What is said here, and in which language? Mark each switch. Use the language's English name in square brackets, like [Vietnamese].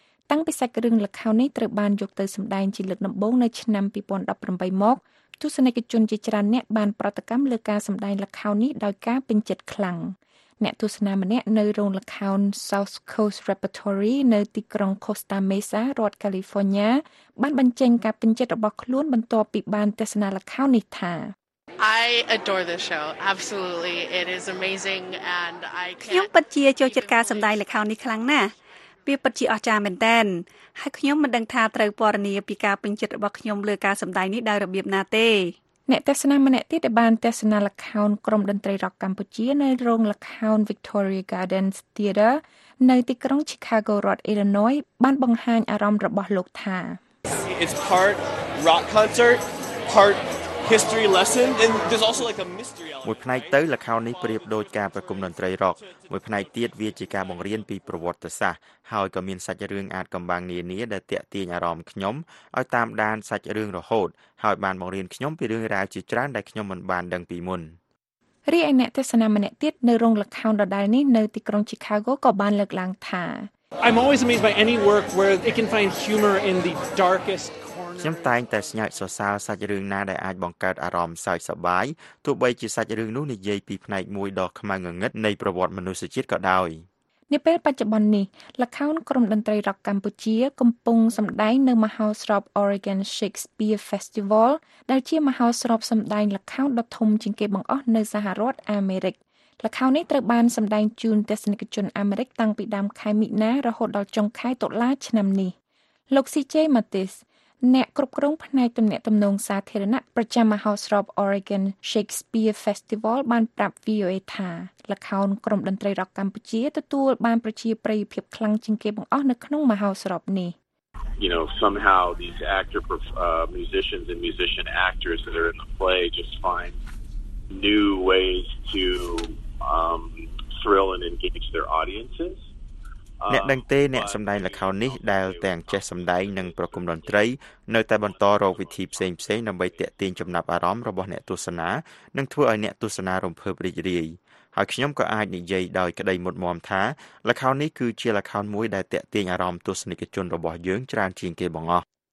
[Khmer] តាំងពីសាច់រឿងល្ខោននេះត្រូវបានយកទៅសម្ដែងជាលើកដំបូងនៅឆ្នាំ2018មកទស្សនិកជនជាច្រើនអ្នកបានប្រតិកម្មលើការសម្ដែងល្ខោននេះដោយការពេញចិត្តខ្លាំងអ្នកទស្សនាម្នាក់នៅរោងល្ខោន South Coast Repertory នៅទីក្រុង Costa Mesa រដ្ឋ California បានបញ្ចេញការពេញចិត្តរបស់ខ្លួនបន្ទាប់ពីបានទស្សនាល្ខោននេះថា [English] I adore the show absolutely it is amazing and I [Khmer] ខ្ញុំពិតជាចូលចិត្តការសម្ដែងល្ខោននេះខ្លាំងណាស់វាពិតជាអស្ចារ្យមែនទែនហើយខ្ញុំមិនដឹងថាត្រូវពណ៌នាពីការពេញចិត្តរបស់ខ្ញុំលើការសម្ដែងនេះដោយរបៀបណាទេ អ្នកទស្សនាម្នាក់ទៀតដែលបានទស្សនាល្ខោនក្រុមតន្ត្រីរ៉ុកកម្ពុជានៅរោងល្ខោន Victoria Gardens Theater នៅទីក្រុង Chicago រដ្ឋ Illinois បានបង្ហាញអារម្មណ៍របស់លោកថា [English] It's part rock concert, part history lesson and there's also like a mystery element. [Khmer] មួយផ្នែកទៅល្ខោននេះប្រៀបដូចការប្រគំតន្ត្រីរ៉ុកមួយផ្នែកទៀតវាជាការបង្រៀនពីប្រវត្តិសាស្ត្រហើយក៏មានសាច់រឿងអាចកំបាំងនានាដែលទាក់ទាញអារម្មណ៍ខ្ញុំឲ្យតាមដានសាច់រឿងរហូតហើយបានបង្រៀនខ្ញុំពីរឿងរ៉ាវជាច្រើនដែលខ្ញុំមិនបានដឹងពីមុន រីឯអ្នកទស្សនាម្នាក់ទៀតនៅរោងល្ខោនដដែលនេះនៅទីក្រុង Chicago ក៏បានលើកឡើងថា [English] I'm always amazed by any work where it can find humor in the darkest corner [Khmer] ខ្ញុំតែងតែស្ញើចសរសើរសាច់រឿងណាដែលអាចបង្កើតអារម្មណ៍សើចសប្បាយទោះបីជាសាច់រឿងនោះនិយាយពីផ្នែកមួយដ៏ខ្មៅងងឹតនៃប្រវត្តិមនុស្សជាតិក៏ដោយ នៅពេលបច្ចុប្បន្ននេះល្ខោនក្រុមតន្ត្រីរ៉ុកកម្ពុជាកំពុងសម្ដែងនៅមហោស្រព Oregon Shakespeare Festival ដែលជាមហោស្រពសម្ដែងល្ខោនដ៏ធំជាងគេបង្អស់នៅសហរដ្ឋអាមេរិកល្ខោននេះត្រូវបានសម្ដែងជូនទស្សនិកជនអាមេរិកតាំងពីដើមខែមីនារហូតដល់ចុងខែតុលាឆ្នាំនេះ លោក CJ Mathis អ្នកគ្រប់គ្រងផ្នែកទំនាក់ទំនងសាធារណៈប្រចាំមហោស្រព Oregon Shakespeare Festival បានប្រាប់ VOA ថាល្ខោនក្រុមតន្ត្រីរ៉ុកកម្ពុជាទទួលបានប្រជាប្រិយភាពខ្លាំងជាងគេបង្អស់នៅក្នុងមហោស្រពនេះ [English] You know somehow these actor musicians and musician actors that are in the play just find new ways to thrill and engage their audiences [Khmer] អ្នកដឹងទេអ្នកសម្ដែងល្ខោននេះដែលទាំងចេះសម្ដែងនិងប្រគំតន្ត្រីនៅតែបន្តរកវិធីផ្សេងផ្សេងដើម្បីទាក់ទាញចំណាប់អារម្មណ៍របស់អ្នកទស្សនានិងធ្វើឲ្យអ្នកទស្សនារំភើបរីករាយហើយខ្ញុំក៏អាចនិយាយដោយក្តីមុតមមថាល្ខោននេះគឺជាល្ខោនមួយដែលទាក់ទាញអារម្មណ៍ទស្សនិកជនរបស់យើងច្រើនជាងគេបងអស់